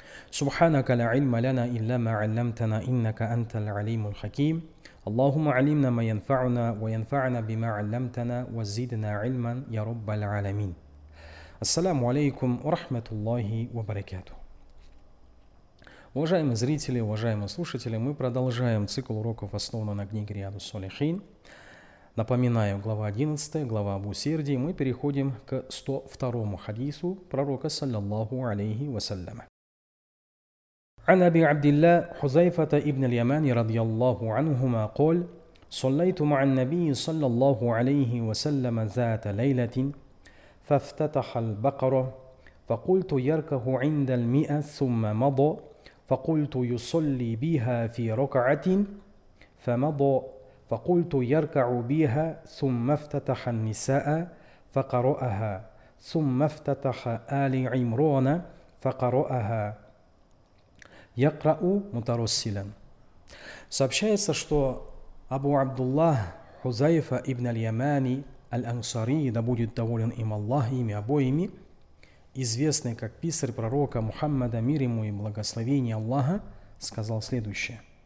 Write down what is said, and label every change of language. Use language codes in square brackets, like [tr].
[ar] سبحانك لا علم لنا إلا ما علمتنا إنك أنت العليم الحكيم اللهم علمنا ما ينفعنا وينفعنا بما علمتنا وزدنا علما يا رب العالمين السلام عليكم ورحمة الله وبركاته [ru] Уважаемые зрители, уважаемые слушатели, мы продолжаем цикл уроков, основанный на книге Риаду Солихин. Напоминаю, глава 11, глава об усердии, мы переходим к 102-му хадису пророка, саллиллаху алейхи вассаляма. [ar] عن أبي عبد الله حذيفة ابن اليمان رضي الله عنهما قال صليت مع النبي صلى الله عليه وسلم ذات ليلة فافتتح البقرة فقلت يركه عند المئة ثم مضى فقلت يصلي بها في ركعة فمضى فقلت يركع بها ثم افتتح النساء فقرأها ثم افتتح آل عمران فقرأها Якрау мутароссилен. [ru] Сообщается, что Абу Абдуллах Хузайфа ибн аль-Ямани аль-Ансари, да будет доволен им Аллах, ими обоими, известный как писарь пророка Мухаммада, мир ему и благословение Аллаха, сказал следующее.